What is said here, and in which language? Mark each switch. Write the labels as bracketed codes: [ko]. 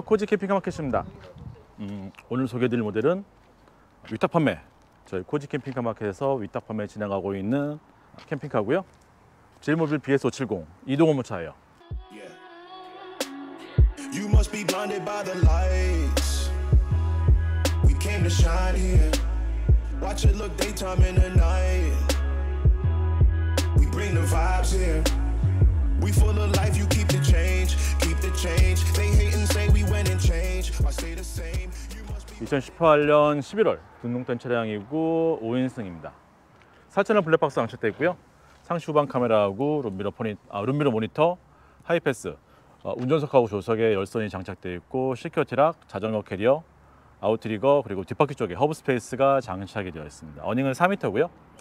[ko] 코지 캠핑카 마켓입니다. 오늘 소개해드릴 모델은 위탁 판매. 저희 코지 캠핑카 마켓에서 위탁 판매 진행하고 있는 캠핑카고요. 제일모빌 BS570 이동 오모차예요. [en] You must be blinded by the lights. We came to shine here. Watch it look daytime in the night. We bring the vibes here. We full of life, you keep the change, keep the change. They hate and say we went and change. I stay the same. [ko] 2018년 11월 등록된 차량이고 5인승입니다. 사천은 블랙박스 장착되어 있고요. 상시 후방 카메라하고 룸미러 모니터, 하이패스, 운전석하고 조석에 열선이 장착되어 있고 시큐어티락, 자전거 캐리어, 아웃리거 그리고 뒷바퀴 쪽에 허브 스페이스가 장착이 되어 있습니다. 어닝은 4m고요.